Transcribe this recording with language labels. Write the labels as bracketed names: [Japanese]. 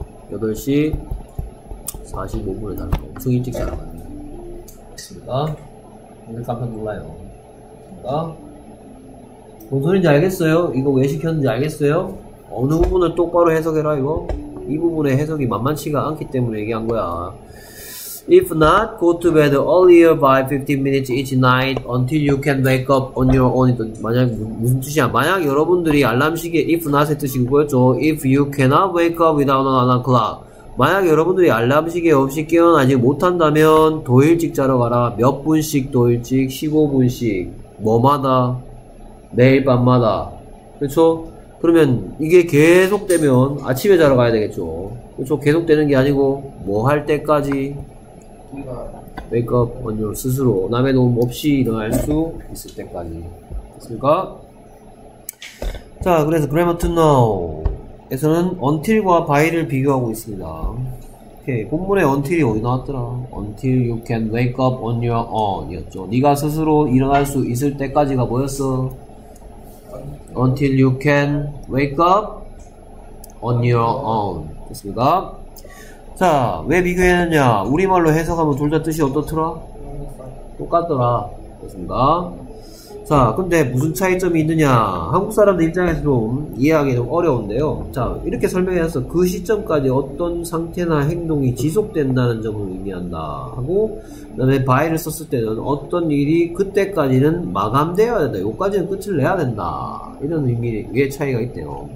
[Korean] 8시 45분에 자는 거. 엄청 일찍 자러 가네. 됐습니까? 오늘 깜짝 놀라요. 됐습니까? 뭔 소리인지 알겠어요? 이거 왜 시켰는지 알겠어요? 어느 부분을 똑바로 해석해라 이거? 이 부분의 해석이 만만치가 않기 때문에 얘기한 거야. [English] If not, go to bed earlier by 15 minutes each night until you can wake up on your own. [Korean] 만약 무슨 뜻이야? 만약 여러분들이 알람시계 [English] if not [Korean] 의 뜻이 그거였죠. [English] If you cannot wake up without an alarm clock. [Korean] 만약 여러분들이 알람시계 없이 깨어나지 못한다면 더 일찍 자러 가라. 몇 분씩 더 일찍? 15분씩. 뭐마다? 매일 밤마다. 그렇죠? 그러면 이게 계속되면 아침에 자러 가야 되겠죠. 그렇죠? 계속되는 게 아니고 뭐 할 때까지? [English] wake up on your [Korean] 스스로 남의 도움 없이 일어날 수 있을 때까지. 됐습니까? 자, 그래서 [English] grammar to know [Korean] 에서는 until과 by를 비교하고 있습니다. 오케이, 본문에 until이 어디 나왔더라? [English] until you can wake up on your own [Korean] 이었죠. 네가 스스로 일어날 수 있을 때까지가 뭐였어? [English] until you can wake up on your own. [Korean] 됐습니까? 자, 왜 비교했느냐? 우리말로 해석하면 둘 다 뜻이 어떻더라? 똑같더라. 됐습니다. 자, 근데 무슨 차이점이 있느냐? 한국 사람들 입장에서 좀 이해하기 좀 어려운데요. 자, 이렇게 설명해서 그 시점까지 어떤 상태나 행동이 지속된다는 점을 의미한다 하고, 그 다음에 by를 썼을 때는 어떤 일이 그때까지는 마감되어야 된다, 여기까지는 끝을 내야 된다, 이런 의미의 차이가 있대요.